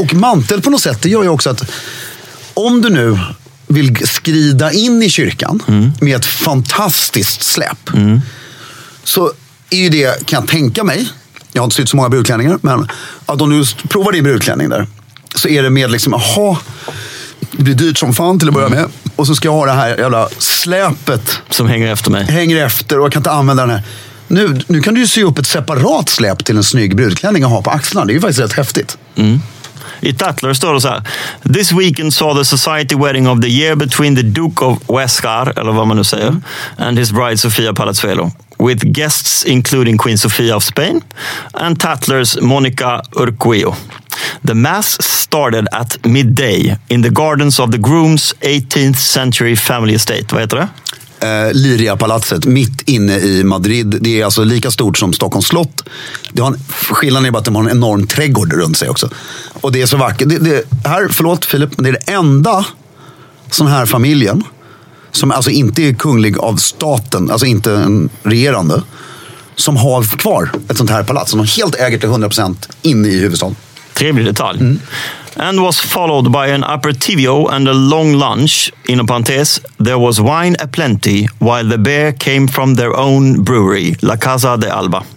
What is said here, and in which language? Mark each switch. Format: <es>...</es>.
<sv>Och mantel på något sätt, det gör ju också att om du nu vill skrida in i kyrkan med ett fantastiskt släp, så är ju det, kan jag tänka mig, jag har inte sett så många brudklänningar, men att om du provar din brudklänning där, så är det med liksom, aha, det blir dyrt som fan till att börja med, och så ska jag ha det här jävla släpet som hänger efter mig. Hänger efter, och jag kan inte använda den här. Nu kan du ju sy upp ett separat släp till en snygg brudklänning att ha på axlarna. Det är ju faktiskt rätt häftigt. Mm. I Tatler står det så här.</sv> <en>This weekend saw the society wedding of the year between the Duke of Huescar,</en> <sv>eller vad man nu säger,</sv> <en>and his bride Sofia Palazuelo. With guests including Queen Sofia of Spain and Tatler's Monica Urquijo. The mass started at midday in the gardens of the groom's 18th century family estate.</en> <sv>Vad heter det? Liria-palatset, mitt inne i Madrid. Det är alltså lika stort som Stockholms slott. Det har en, skillnaden är bara att de har en enorm trädgård runt sig också. Och det är så vackert. Det här, förlåt Filip, men det är det enda sån här familjen som alltså inte är kunglig av staten, alltså inte en regerande, som har kvar ett sånt här palats som de helt äger till 100% inne i huvudstaden. Trevlig detalj. Mm.</sv> <en>And was followed by an aperitivo and a long lunch. In a parentheses, there was wine aplenty while the beer came from their own brewery, La Casa de Alba.</en>